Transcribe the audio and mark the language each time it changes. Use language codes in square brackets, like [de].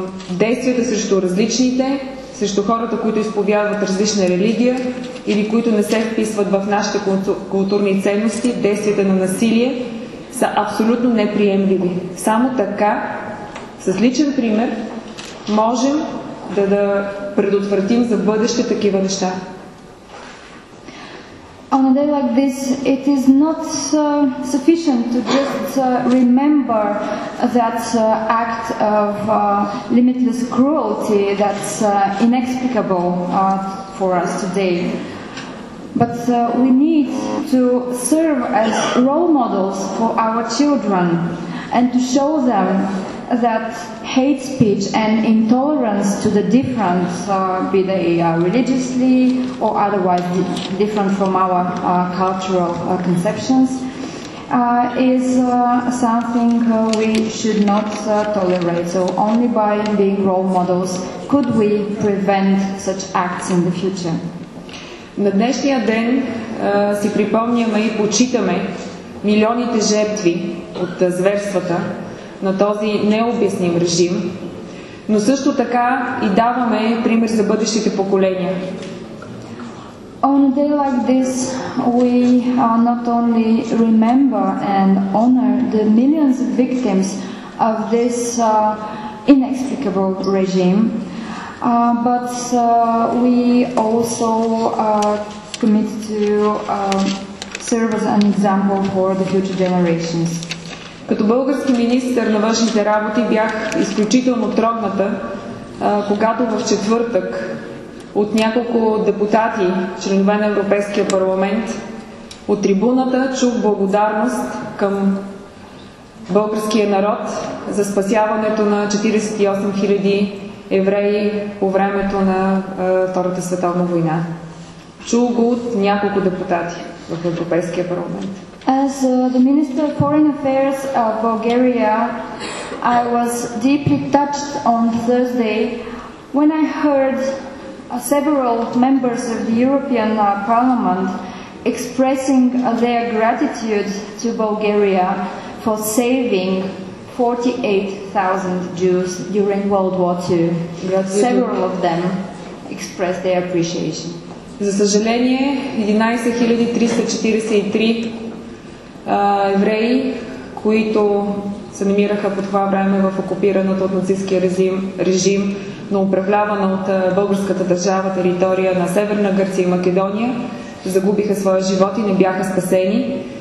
[bg] действията срещу различните, срещу хората, които изповядват различна религия или които не се вписват в нашите културни ценности, действията на насилие, са абсолютно неприемливи. Само така, с личен пример, можем да предотвратим за бъдеще такива неща. [en] On a day like this, it is not sufficient to just remember that act of limitless cruelty that's inexplicable for us today. But we need to serve as role models for our children and to show them that hate speech and intolerance to the different, be they religiously or otherwise different from our cultural conceptions, is something we should not tolerate. So only by being role models could we prevent such acts in the future. [bg] На днешния ден си припомняме и почитаме милионите жертви от зверствата на този необясним режим, но също така и даваме пример за бъдещите поколения. [en] On a day like this, we not only remember and honor the millions of victims of this inexplicable regime, but we also commit to serve as an example for the future generations. [bg] Като български министър на външните работи бях изключително трогната, когато в четвъртък от няколко депутати, членове на Европейския парламент, от трибуната чух благодарност към българския народ за спасяването на 48 000 евреи по времето на Втората световна война. Чух го от няколко депутати в Европейския парламент. [en] As the Minister of Foreign Affairs of Bulgaria, I was deeply touched on Thursday when I heard several members of the European Parliament expressing their gratitude to Bulgaria for saving 48,000 Jews during World War II. Several of them expressed their appreciation. [bg] За съжаление, 11,343 евреи, които се намираха по това време в окупираната от нацистския режим, но управлявана от българската държава територия на Северна Гърция и Македония, загубиха своя живот и не бяха спасени.